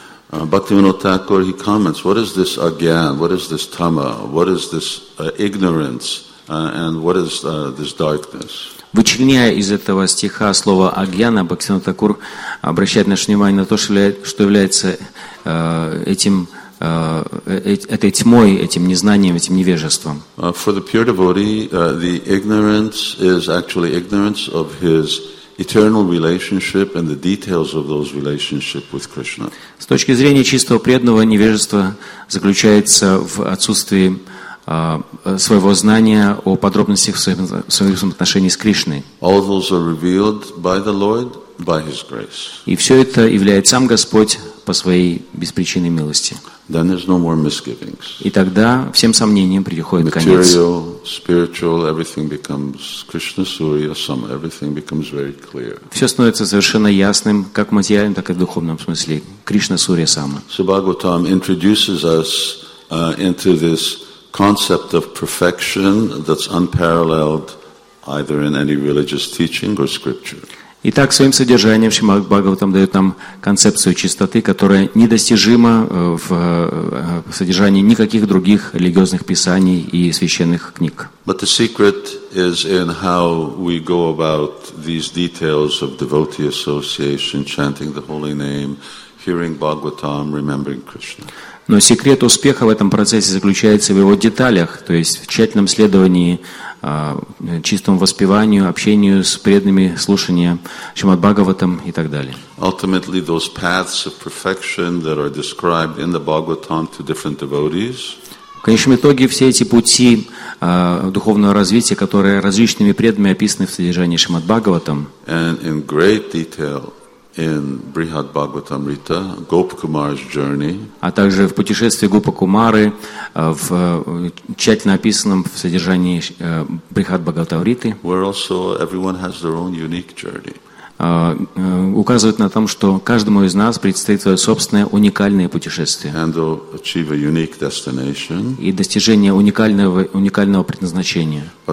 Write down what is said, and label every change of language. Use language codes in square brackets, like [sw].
[en] Бхактивинода Тхакур, he comments, what is this агьян, what is this тама, what is this ignorance, and what is this darkness? [ru] Вычленяя из этого стиха слово «агьяна», Бхактивинода Тхакур обращает наше внимание на то, что является этим, этой тьмой, этим незнанием, этим невежеством. [en] For the pure devotee, the ignorance is actually ignorance of his eternal relationship and the details of those relationships with Krishna. [ru] С точки зрения чистого преданного, невежество заключается в отсутствии своего знания о подробностях своих отношений с Кришной. [en] All those are revealed by the Lord by His grace. [ru] И все это являет сам Господь по своей беспричинной милости. [en] Then there's no more misgivings. [ru] И тогда всем сомнениям приходит конец. [en] Material, spiritual, everything becomes Krishna Surya Sam. Everything becomes very clear. [ru] Все становится совершенно ясным, как в материальном, так и в духовном смысле. Кришна Сурья Сама. [en] So Bhagavatam introduces us into this concept of perfection that's unparalleled either in any religious teaching or scripture. [ru] Итак, своим содержанием Шримад Бхагаватам дает нам концепцию чистоты, которая недостижима в содержании никаких других религиозных писаний и священных книг. [en] But the secret is in how we go about these details of devotee association, chanting the holy name, hearing Bhagavatam, remembering Krishna. [ru] Но секрет успеха в этом процессе заключается в его деталях, то есть в тщательном следовании, чистому воспеванию, общению с преданными, слушания Шримад Бхагаватам и так далее. [en] Ultimately, those paths of perfection that are described in the Bhagavatam to different devotees, [ru] конечном итоге все эти пути духовного развития, которые различными преданными описаны в содержании Шримад-Бхагаватам. [en] And in great detail in Brihad Bhagavatamrita, Gop Kumar's journey. [ru] А также в путешествии Гопа Кумары в тщательно описанном в содержании Брихад Бхагаватамриты. [en] Where also everyone has their own unique journey. [ru] Указывает на том, что каждому из нас предстоит свое собственное уникальное путешествие и достижение уникального предназначения.